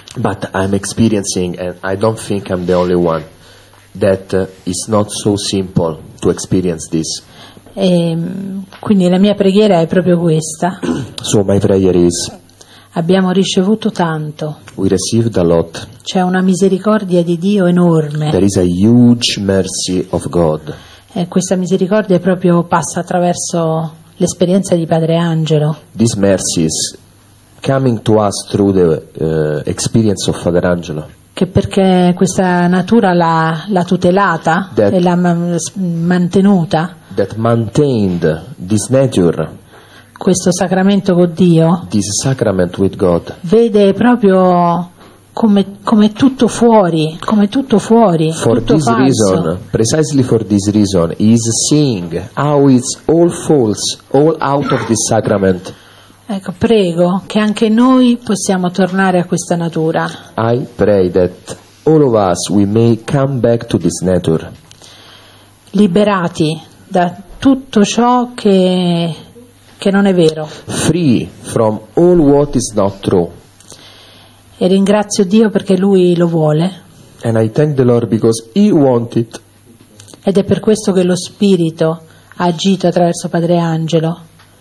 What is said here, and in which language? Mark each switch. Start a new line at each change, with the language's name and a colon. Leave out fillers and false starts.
English: But I'm experiencing, and I don't think I'm the only one, that it's not so simple to experience this.
Italian: E quindi la mia preghiera è proprio questa.
English: So my prayer is,
Italian: abbiamo ricevuto tanto.
English: We received a lot.
Italian: C'è una misericordia di Dio enorme.
English: There is a huge mercy of God.
Italian: E questa misericordia proprio passa attraverso l'esperienza di Padre Angelo.
English: This mercy is coming to us through the experience of Father Angelo.
Italian: Che perché questa natura l'ha tutelata
English: that,
Italian: e l'ha mantenuta.
English: That maintained this nature,
Italian: questo sacramento con Dio,
English: this sacrament with God,
Italian: vede proprio come tutto fuori, come tutto fuori,
English: for
Italian: tutto
English: this
Italian: falso.
English: Reason, precisely for this reason, he is seeing how it's all false, all out of this sacrament.
Italian: Ecco, prego che anche noi possiamo tornare a questa natura.
English: I pray that all of us we may come back to this nature.
Italian: Liberati da tutto ciò che non è vero.
English: Free from all what is not true.
Italian: E ringrazio Dio perché Lui lo vuole.
English: And I thank the Lord because He wants it.
Italian: Ed è per questo che lo Spirito ha agito attraverso Padre Angelo.